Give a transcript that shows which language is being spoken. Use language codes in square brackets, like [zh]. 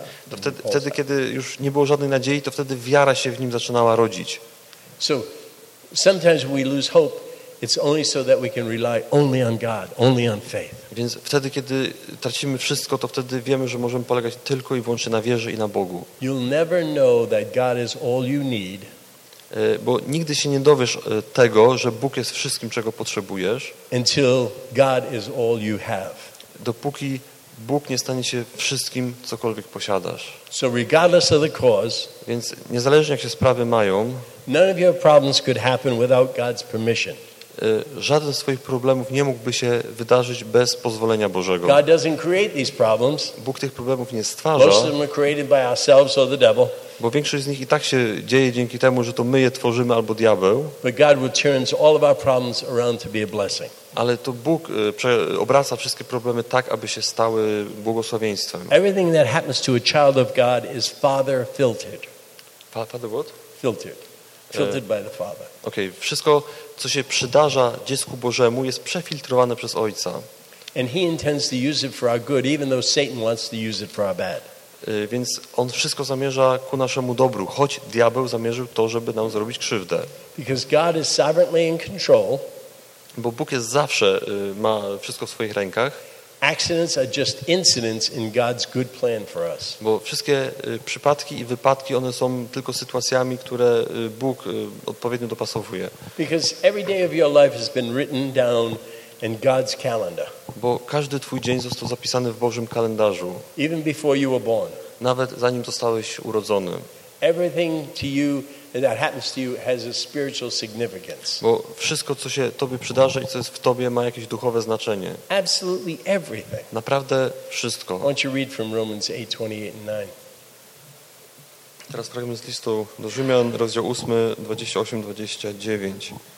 [pl] To wtedy, kiedy już nie było żadnej nadziei, to wtedy wiara się w nim zaczynała rodzić. [en] So sometimes we lose hope, it's only so that we can rely only on God, only on faith. [pl] Więc wtedy, kiedy tracimy wszystko, to wtedy wiemy, że możemy polegać tylko i wyłącznie na wierze i na Bogu. [en] You'll never know that God is all you need. [pl] Bo nigdy się nie dowiesz tego, że Bóg jest wszystkim, czego potrzebujesz. [en] Until God is all you have. [pl] dopóki Bóg nie stanie się wszystkim, cokolwiek posiadasz. [en] So regardless of the cause, [pl] więc niezależnie jak się sprawy mają, [en] none of your problems could happen without God's permission. [pl] Żaden z swoich problemów nie mógłby się wydarzyć bez pozwolenia Bożego. [en] God doesn't create these problems. [pl] Bóg tych problemów nie stwarza. [en] Most of them are created by ourselves or the devil. [pl] Bo większość z nich i tak się dzieje dzięki temu, że to my je tworzymy albo diabeł. [en] But God turns all of our problems around to be a blessing. [pl] Ale to Bóg obraca wszystkie problemy tak, aby się stały błogosławieństwem. [en] Everything that happens to a child of God is father filtered. Father what? Filtered. Filtered by the father. Okej, okay. [pl] Wszystko co się przydarza dziecku Bożemu jest przefiltrowane przez Ojca. [en] And he intends to use it for our good, even though Satan wants to use it for our bad. [pl] Więc on wszystko zamierza ku naszemu dobru, choć diabeł zamierzył to, żeby nam zrobić krzywdę. [en] Because God is sovereignly in control. [pl] Bo Bóg jest zawsze, ma wszystko w swoich rękach. [en] Accidents are just incidents in God's good plan for us. [pl] Bo wszystkie przypadki i wypadki, one są tylko sytuacjami, które Bóg odpowiednio dopasowuje. [en] Because every day of your life has been written down in God's calendar. [pl] Bo każdy twój dzień został zapisany w Bożym kalendarzu. [en] Even before you were born. [pl] Nawet zanim zostałeś urodzony. [en] Everything to you that happens to you has a spiritual significance. [pl] Bo wszystko co się tobie przydarza i co jest w tobie ma jakieś duchowe znaczenie. [en] Absolutely everything. [pl] Naprawdę wszystko. [en] Why don't you read from Romans 8:28-9? [pl] Teraz fragment z listu do Rzymian, rozdział 8, 28-29.